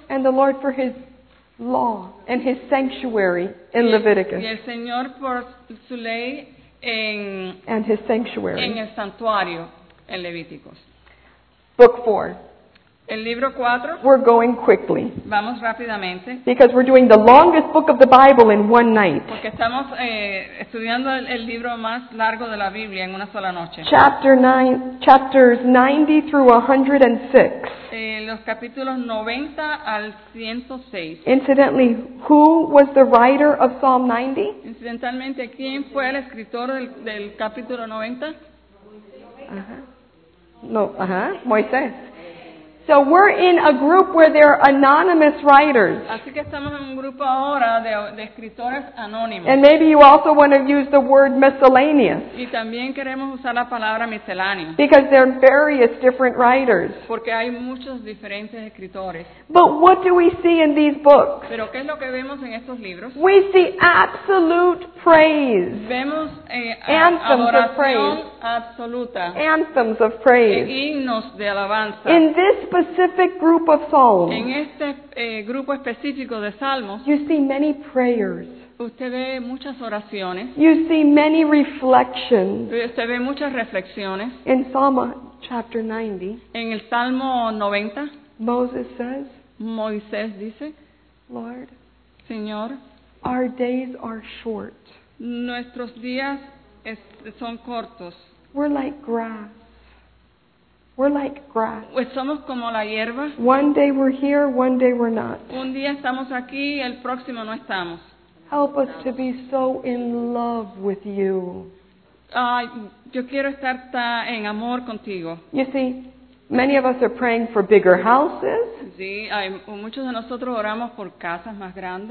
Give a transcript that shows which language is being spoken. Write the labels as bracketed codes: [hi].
[en] and the Lord for His law and His sanctuary in Leviticus. [es] Y el Señor por su ley en, [en] and His sanctuary. [es] En el santuario en Levíticos. [en] Book 4. [es] El libro 4. [en] We're going quickly. [es] Vamos rápidamente. [en] Because we're doing the longest book of the Bible in one night. [es] Porque estamos estudiando el libro más largo de la Biblia en una sola noche. [en] Chapters 90 through 106. [es] Los capítulos 90 al 106. [en] Incidentally, who was the writer of Psalm 90? [es] Incidentalmente, ¿quién fue el escritor del capítulo 90? Moisés. [en] So we're in a group where there are anonymous writers. [es] Así que estamos en un grupo ahora de escritores anónimos. [en] And maybe you also want to use the word miscellaneous. [es] Y también queremos usar la palabra misceláneo. [en] Because there are various different writers. [es] Porque hay muchos diferentes escritores. [en] But what do we see in these books? [es] Pero ¿qué es lo que vemos en estos libros? [en] We see absolute praise. [es] Vemos anthems [en] of praise. [es] Absoluta. [en] Anthems of praise. [es] Himnos de alabanza. [en] In this specific group of Psalms. [es] En este grupo específico de Salmos. [en] You see many prayers. [es] Usted ve muchas oraciones. [en] You see many reflections. [es] Usted ve muchas reflexiones. [en] In Psalm chapter 90. [es] En el Salmo 90. [en] Moses says. [es] Moisés dice. [en] Lord. [es] Señor. [en] Our days are short. [es] Nuestros días son cortos. [en] We're like grass. We're like grass. [es] Pues somos como la hierba. [en] One day we're here, one day we're not. [es] Un día estamos aquí, el próximo no estamos. [en] Help us to be so in love with you. [es] Yo quiero estar en amor contigo. [en] You see, many of us are praying for bigger houses. [es] Sí, muchos de nosotros oramos por casas más grandes.